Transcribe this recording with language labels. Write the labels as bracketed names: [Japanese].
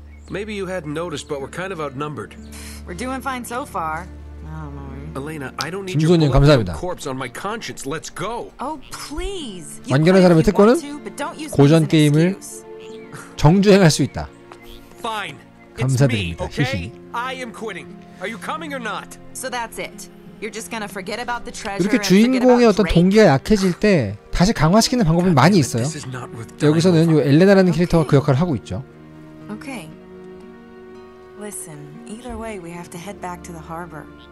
[English] Maybe you hadn't noticed, but we're kind of outnumbered. We're doing fine so far. Elena, I don't need your blood corpse on my conscience. Let's go. Oh, please. [Korean] 완결한 사람의 특권은 고전 게임을 정주행할 수 있다. [English] Fine. [Korean] 감사드립니다. [English] It's me, okay? I am quitting. Are you coming or not? So that's it. You're just gonna forget about the treasure. [Korean] 이렇게 주인공의 어떤 동기가 약해질 때 다시 강화시키는 방법이 많이 있어요. 여기서는 요 엘레나라는 캐릭터가 그 역할을 하고 있죠. [English] Okay. Listen. Either way, we have to head back to the harbor.